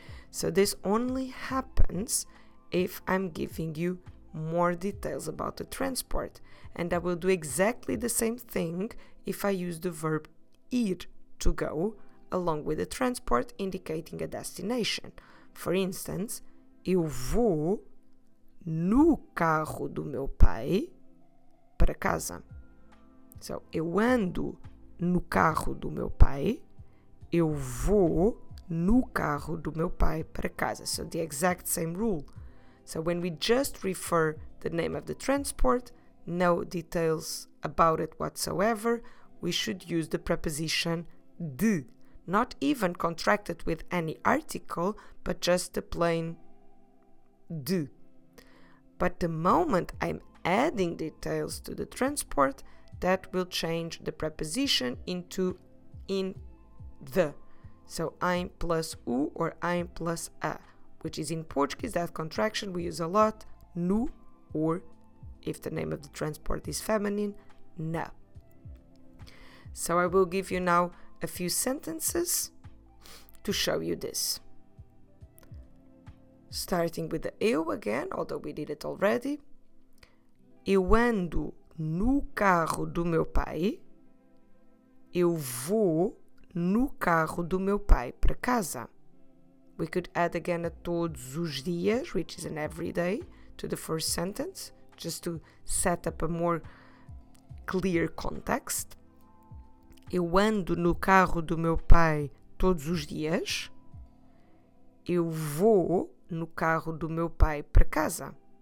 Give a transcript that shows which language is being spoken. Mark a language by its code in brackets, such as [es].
[en] So this only happens if I'm giving you more details about the transport. And I will do exactly the same thing if I use the verb ir, to go, along with the transport indicating a destination. For instance, [pt] eu vou no carro do meu pai para casa. So, eu ando no carro do meu pai, eu vou no carro do meu pai para casa. [en] So, the exact same rule. So, when we just refer the name of the transport, no details about it whatsoever, we should use the preposition de, not even contracted with any article, but just the plain de. But the moment I'm adding details to the transport, that will change the preposition into in the. So I'm plus o or I'm plus a, which is in Portuguese that contraction we use a lot, no, or if the name of the transport is feminine, na. So I will give you now a few sentences to show you this. Starting with the eu again, although we did it already. [pt] Eu ando no carro do meu pai. Eu vou no carro do meu pai para casa. [en] We could add again [pt] a todos os dias, [en] which is an everyday, to the first sentence, just to set up a more clear context. [pt] Eu ando no carro do meu pai todos os dias. Eu vou no carro do meu pai para casa.